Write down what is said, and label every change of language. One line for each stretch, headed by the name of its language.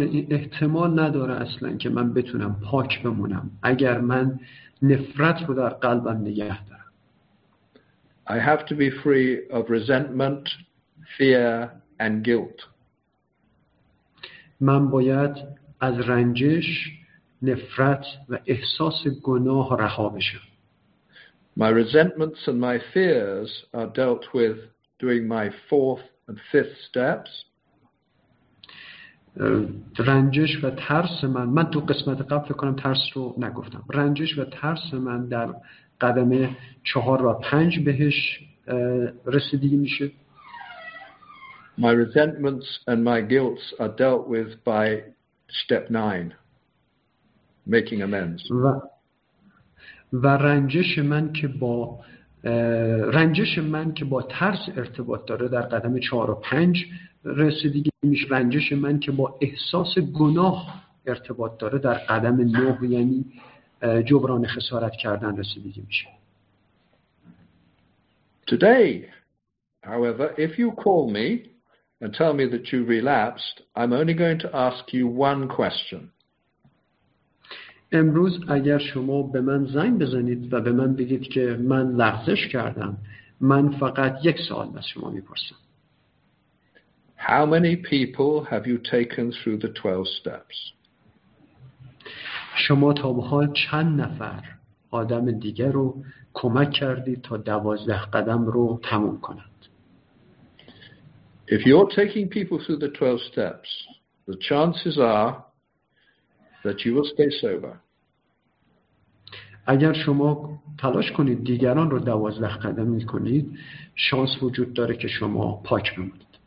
Persian: احتمال نداره اصلا که من بتونم پاک بمونم اگر من نفرت رو در قلبم نگه دارم.
English: I have to be free of resentment, fear and guilt.
Persian: من باید از رنجش، نفرت و احساس گناه رها بشم.
English: My resentments and my fears are dealt with during my 4th and 5th steps.
Persian: رنجش و ترس من تو قسمت قبل کنم ترس رو نگفتم. رنجش و ترس من در قدم 4 و 5 بهش رسیدگی میشه.
English: My resentments and my guilts are dealt with by step 9, making amends.
Persian: و رنجش من که با رنجش من که با ترس ارتباط داره در قدم 4 و 5 رسیدگی میشه، رنجش من که با احساس گناه ارتباط داره در قدم 9 یعنی جبران خسارت کردن رسیدگی میشه.
English: Today, however, if you call me and tell me that you relapsed, I'm only going to ask you one question.
Persian: امروز اگر شما به من زنگ بزنید و به من بگید که من لغزش کردم، من فقط یک سوال از شما میپرسم.
English: How many people have you taken through the 12 steps?
Persian: شما تا به حال چند نفر آدم دیگر رو کمک کردید تا 12 قدم رو تموم کنند؟
English: If you're taking people through the 12 steps, the chances are that you will stay sober.
Persian: اگر شما تلاش کنید دیگران رو 12 قدم می‌کنید، شانس وجود داره که شما پاک بمونید.